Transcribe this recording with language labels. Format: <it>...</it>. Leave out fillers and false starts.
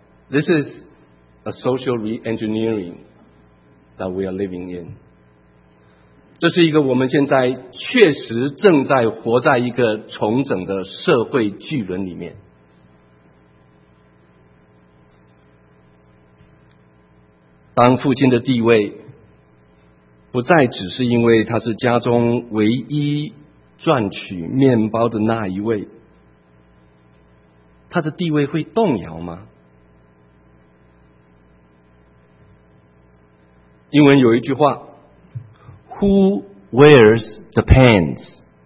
<en>This is a social re-engineering that we are living in.</en> <zh>这是一个我们现在确实正在活在一个重整的社会巨轮里面。当父亲的地位不再只是因为他是家中唯一赚取面包的那一位，他的地位会动摇吗？英文有一句话</zh> <en>Who wears the pants?</en>